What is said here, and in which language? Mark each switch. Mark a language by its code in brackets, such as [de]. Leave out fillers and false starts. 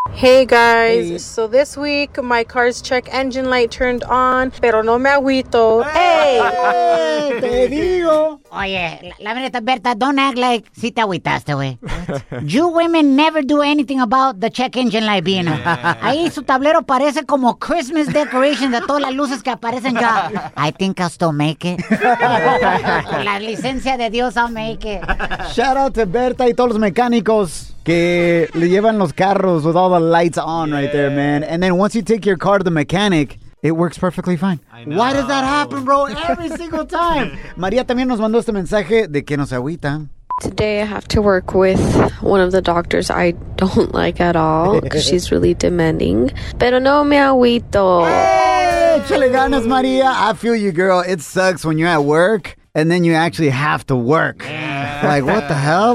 [en] Hey guys, so this week my car's check engine light turned on, [es] pero no me agüito. [en] Hey! [es] Te digo! Oye, la verdad, Berta, [en] don't act like [es] si te agüitaste, güey. [en] You women never do anything about the check engine light being on. [es] Ahí su tablero parece como Christmas decoration de todas las luces que aparecen ya. [en] I think I'll still make it. [es] La licencia de Dios, [en] I'll make it. Shout out to Berta [es] y todos los mecánicos que le llevan los carros [en] with all the lights on right there, man. And then once you take your car to the mechanic, it works perfectly fine. Why does that happen, bro? Every single time. [es] María también nos mandó este mensaje de que no se agüita. [en] Today I have to work with one of the doctors I don't like at all because she's really demanding. [es] Pero no me agüito. [en] Hey, [es] chale ganas, [en] María. I feel you, girl. It sucks when you're at work and then you actually have to work. Yeah. Like, what the hell?